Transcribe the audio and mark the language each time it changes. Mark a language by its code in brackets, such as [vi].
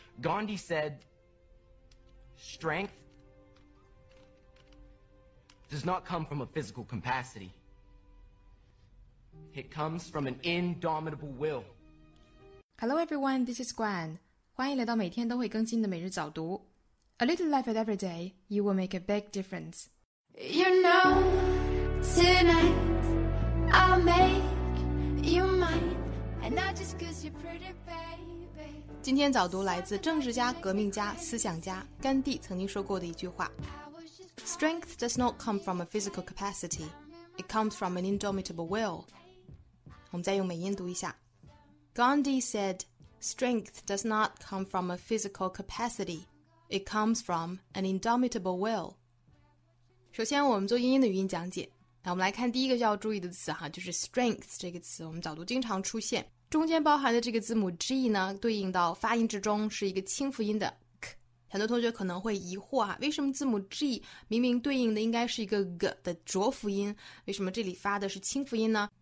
[en] Gandhi said, strength does not come from a physical capacity. It comes from an indomitable will. Hello everyone, this is Gwen. [zh] 欢迎来到每天都会更新的每日早读。 [en] A little life at every day, you will make a big difference. You know, tonight, I'll make you mine, and not just cause you're pretty bad. [zh] 今天早读来自政治家、革命家、思想家甘地曾经说过的一句话 [en] Strength does not come from a physical capacity. It comes from an indomitable will. [zh] 我们再用美音读一下 [en] Gandhi said, Strength does not come from a physical capacity. It comes from an indomitable will. [zh] 首先我们做英音的语音讲解，那我们来看第一个要注意的词哈，就是 strength 这个词，我们早读经常出现，中间包含的这个字母 G 呢，对应到发音之中是一个清辅音的 k。很多同学可能会疑惑啊，为什么字母 G 明明对应的应该是一个 g 的浊辅音，为什么这里发的是清辅音呢？